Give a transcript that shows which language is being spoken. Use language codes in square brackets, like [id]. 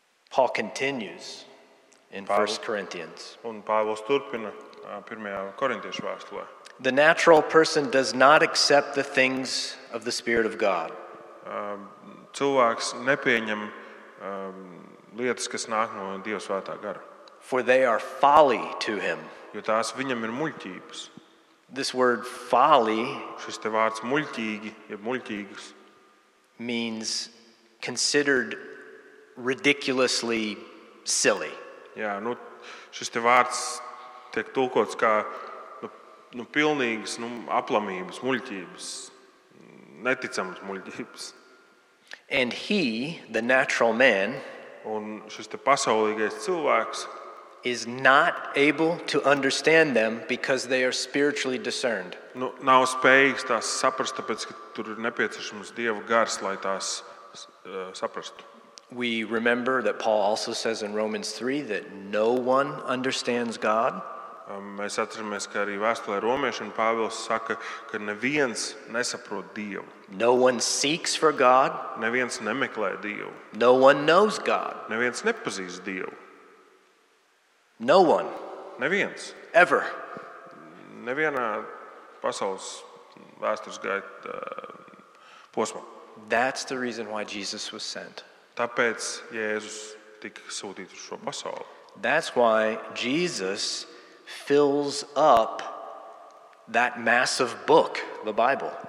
[en] Paul continues in 1 Corinthians. [lv] Un Pāvils turpina pirmajā korintiešu vēstulē. [en] The natural person does not accept the things of the Spirit of God. [lv] Cilvēks nepieņem lietas, kas nāk no Dieva svētā gara. [en] For they are folly to him. [lv] Jo tās viņam ir muļķības. [en] This word folly, [lv] šis te vārds muļķīgi, jeb muļķīgas, [en] means considered ridiculously silly. [lv] Jā, nu, šis te vārds tiek tulkots kā nu pilnīgas, nu aplamības, muļķības, neticamas muļķības. [en] And he, the natural man, [lv] un šis te pasaulīgais cilvēks, [en] is not able to understand them because they are spiritually discerned. [lv] Nu, nav spējīgs tās saprast, tāpēc ka tur ir nepieciešams Dieva gars, lai tās saprastu. [en] We remember that Paul also says in Romans 3 that no one understands God. [lv] Mēs atceramies, ka arī vēstulē Romiešiem Pāvils saka, ka neviens nesaprot Dievu. [en] No one seeks for God. [lv] Neviens nemeklē Dievu. [en] No one knows God. [lv] Neviens nepazīst Dievu. [en] No one. [lv] Neviens. [en] Ever. [lv] Nevienā pasaules vēstures gaita posmā. [en] That's the reason why Jesus was sent. [lv] Tāpēc Jēzus tika sūtīts uz šo pasauli. [en] That's why Jesus fills up that massive book, the Bible.